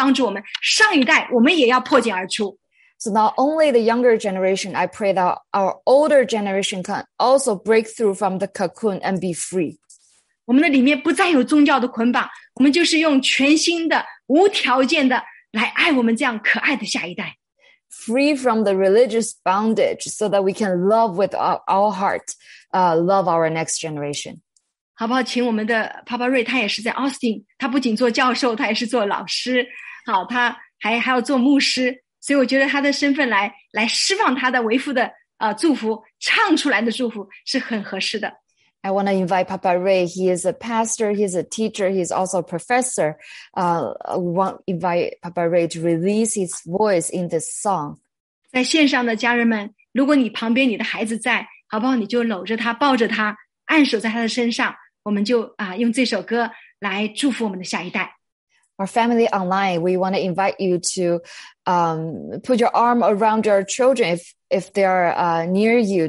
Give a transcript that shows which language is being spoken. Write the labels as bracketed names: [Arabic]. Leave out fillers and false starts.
[Chinese] 所以我们不仅要下一代要破茧而出，我求我们的神，求我们的圣灵帮助我们，上一代我们也要破茧而出。 [English] So not only the younger generation, I pray that our older generation can also break through from the cocoon and be free. [Chinese] 我们的里面不再有宗教的捆绑，我们就是用全新的、无条件的来爱我们这样可爱的下一代。 [English] Free from the religious bondage so that we can love with our heart, love our next generation. [Chinese] 好不好,请我们的Papa Ray,他也是在Austin,他不仅做教授,他也是做老师,好,他还要做牧师。 所以我觉得他的身份来释放他的为父的祝福唱出来的祝福是很合适的。 [English] I want to invite Papa Ray. He is a pastor, he is a teacher, he is also a professor. We want to invite Papa Ray to release his voice in this song. [Chinese] 在线上的家人们, 如果你旁边你的孩子在, 好不好, 你就搂着他, 抱着他, 按手在他的身上, 我们就, 用这首歌, 来祝福我们的下一代。 [English] Our family online, we want to invite you to put your arm around your children if they are near you.